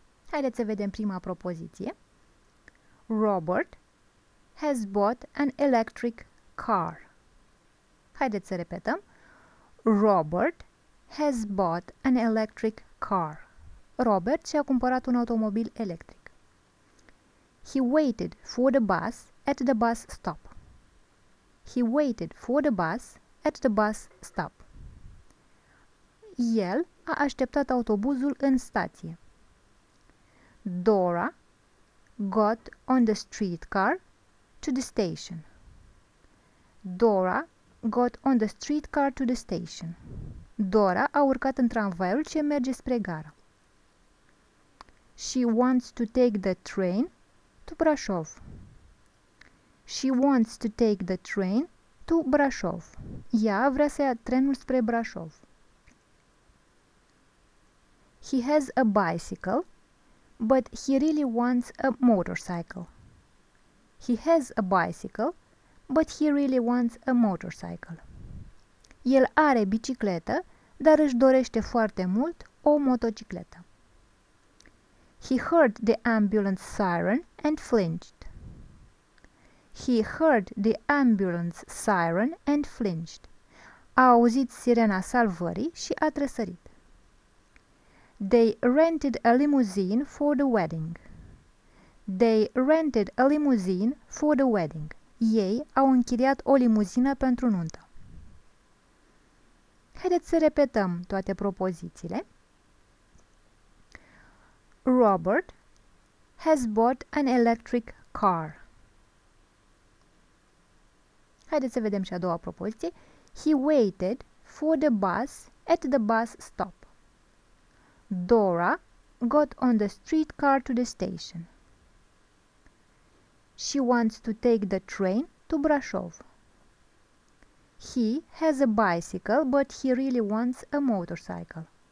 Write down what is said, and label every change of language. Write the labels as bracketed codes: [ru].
[ro] Haideți să vedem prima propoziție. [en] Robert has bought an electric car. [ro] Haideți să repetăm. [en] Robert has bought an electric car. [ro] Robert și-a cumpărat un automobil electric. [en] He waited for the bus at the bus stop. He waited for the bus at the bus stop. [ro] El a așteptat autobuzul în stație. [en] Dora got on the streetcar to the station. Dora got on the streetcar to the station. [ro] Dora a urcat în tramvaiul ce merge spre gara. [en] She wants to take the train to Brașov. She wants to take the train to Brașov. [ro] Ea vrea să ia trenul spre Brașov. [en] He has a bicycle, but he really wants a motorcycle. He has a bicycle, but he really wants a motorcycle. [ro] El are bicicletă, dar își dorește foarte mult o motocicletă. [en] He heard the ambulance siren and flinched. He heard the ambulance siren and flinched. [ro] A auzit sirena salvării și a tresărit. [en] They rented a limousine for the wedding. They rented a limousine for the wedding. [ro] Ei au închiriat o limuzină pentru nuntă. Haideți să repetăm toate propozițiile. [en] Robert has bought an electric car. [ro] Haideți să vedem și a doua propoziție. [en] He waited for the bus at the bus stop. Dora got on the streetcar to the station. She wants to take the train to Brasov. He has a bicycle, but he really wants a motorcycle.